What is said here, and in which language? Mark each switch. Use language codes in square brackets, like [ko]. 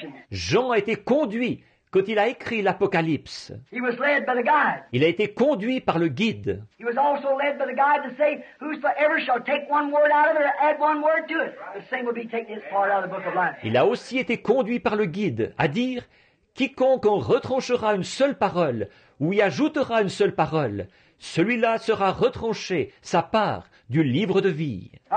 [fr] Jean a été conduit quand il a écrit l'Apocalypse. Il a été conduit par le guide. [en] He was also led by the guide to say, whosoever shall take one word out of it or add one word to it, the same will be taking his part out of the book of life. [fr] Il a aussi été conduit par le guide à dire, quiconque en retranchera une seule parole ou y ajoutera une seule parole, celui-là sera retranché sa part du livre de vie.